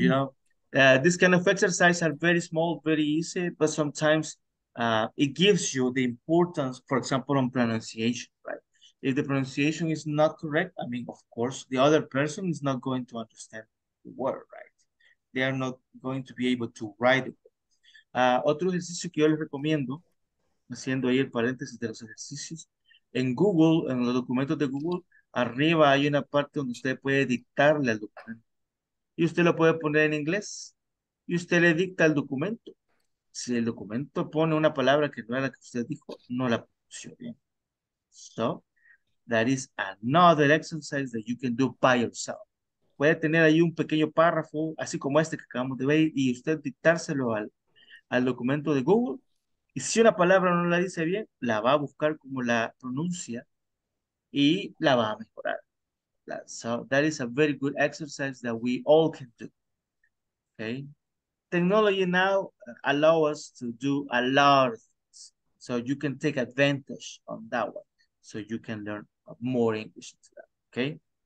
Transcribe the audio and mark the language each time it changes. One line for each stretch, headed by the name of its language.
English: You know, this kind of exercise are very small, very easy, but sometimes it gives you the importance, for example, on pronunciation, right? If the pronunciation is not correct, I mean, of course, the other person is not going to understand the word, right? They are not going to be able to write it.
Spanish: Otro ejercicio que yo les recomiendo, haciendo ahí el paréntesis de los ejercicios, en Google, en los documentos de Google, arriba hay una parte donde usted puede dictarle al documento. Y usted lo puede poner en inglés, y usted le dicta el documento. Si el documento pone una palabra que no era la que usted dijo, no la pronunció bien.
English: So, that is another exercise that you can do by yourself.
Spanish: Puede tener ahí un pequeño párrafo, así como este que acabamos de ver, y usted dictárselo al documento de Google. Y si una palabra no la dice bien, la va a buscar como la pronuncia y la va a mejorar.
English: So that is a very good exercise that we all can do. Okay? Technology now allows us to do a lot of things. So you can take advantage on that one. So you can learn more English to that, okay?